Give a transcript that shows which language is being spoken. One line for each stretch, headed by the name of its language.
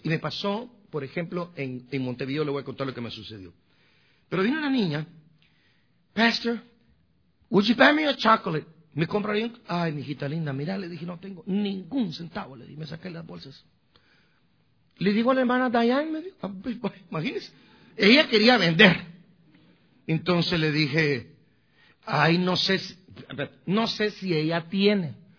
Spanish: Y me pasó, por ejemplo, en Montevideo, le voy a contar lo que me sucedió. Pero vino una niña,
English: Pastor, would you buy me a chocolate?
Spanish: ¿Me compraría un...? Ay, mi hijita linda, mira, le dije, no tengo ningún centavo, le dije, me saqué las bolsas. Le digo a la hermana Diane, me dijo, imagínese, ella quería vender. Entonces le dije, ay, no sé si ella tiene.